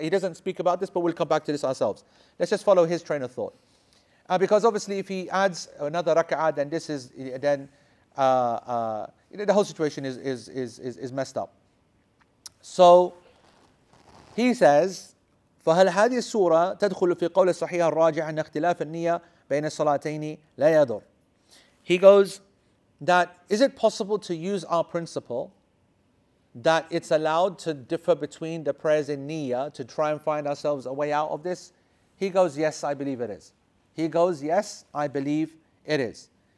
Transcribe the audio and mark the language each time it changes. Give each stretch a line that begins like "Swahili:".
English: He doesn't speak about this, but we'll come back to this ourselves. Let's just follow his train of thought. Because obviously, if he adds another raka'ah, then this is the whole situation is messed up. So he says,
Arabic: فهل هذه السورة تدخل في قول الصحيح الراجح أن اختلاف النية بين الصلاتين لا يضر؟
English: He goes that is it possible to use our principle that it's allowed to differ between the prayers in niyyah to try and find ourselves a way out of this? He goes, yes, I believe it is. He goes, yes, I believe it is.